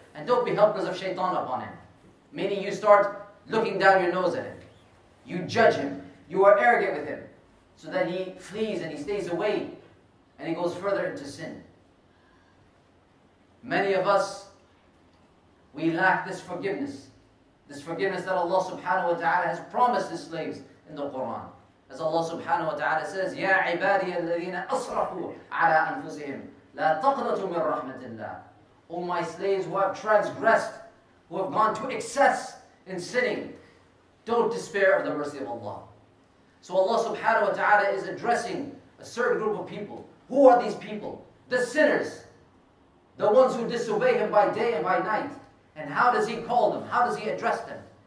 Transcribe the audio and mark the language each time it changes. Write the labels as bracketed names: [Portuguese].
[English] And don't be helpers of shaitan upon him. Meaning you start looking down your nose at him. You judge him. You are arrogant with him. So that he flees and he stays away. And he goes further into sin. Many of us, we lack this forgiveness. This forgiveness that Allah subhanahu wa ta'ala has promised his slaves in the Quran. As Allah subhanahu wa ta'ala says, [Arabic] يَا عِبَادِيَ الَّذِينَ أَصْرَفُوا عَلَىٰ أَنفُسِهِمْ لَا تَقْنَطُوا مِنْ رَحْمَةِ اللَّهِ. [English] O my slaves who have transgressed, who have gone to excess in sinning, don't despair of the mercy of Allah. So Allah subhanahu wa ta'ala is addressing a certain group of people. Who are these people? The sinners. The ones who disobey him by day and by night. And how does he call them? How does he address them?